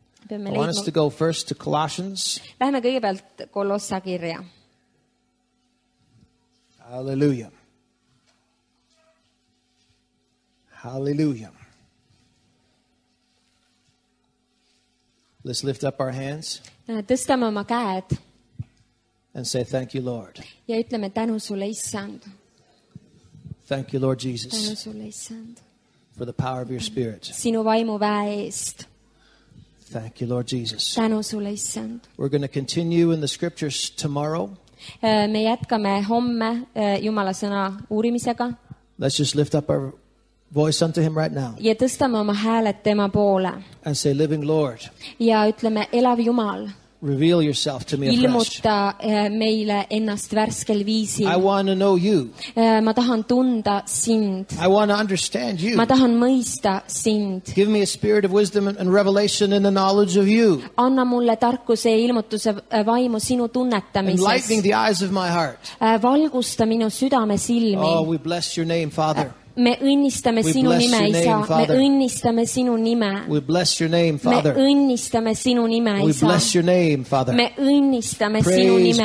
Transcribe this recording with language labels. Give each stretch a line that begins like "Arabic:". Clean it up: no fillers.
English: I want us to go first to Colossians.
Estonian: Lähme kõigepealt Kolossa kirja.
English: Hallelujah.
Estonian: Hallelujah.
English: Let's lift up our hands.
Estonian: Tõstame oma käed.
English: And say thank you, Lord.
Estonian: Ja ütleme tänu sulle, Issand.
English: Thank you, Lord Jesus, for the power of your spirit.
Estonian: Sinu vaimu väe eest.
English: Thank you, Lord Jesus.
Estonian: Tänu sulle, Issand.
English: We're going to continue in the scriptures tomorrow.
Estonian: Me jätkame homme Jumala sõna uurimisega.
English: Let's just lift up our voice unto him right now.
Estonian: Ja tõstame oma hääled tema poole.
English: And say, living Lord.
Estonian: Ja ütleme, elav Jumal.
English: Reveal yourself to me afresh.
Estonian: Ilmuta meile ennast värskel viisil.
English: I want to know you.
Estonian: Ma tahan tunda sind.
English: I want to understand you.
Estonian: Ma tahan mõista sind.
English: Give me a spirit of wisdom and revelation in the knowledge of you.
Estonian: Anna mulle tarkuse ilmutuse vaimu sinu tunnetamises.
English: Enlightening the eyes of my heart.
Estonian: Valgusta minu südame silmi.
English: Oh, we bless your name, Father.
Estonian: Me õnnistame sinu nime, Isa. Me õnnistame sinu nime.
English: We bless your name, Father.
Estonian: Me õnnistame sinu nime, Isa.
English: We bless your name, Father.
Estonian: Me õnnistame sinu nime, Isa.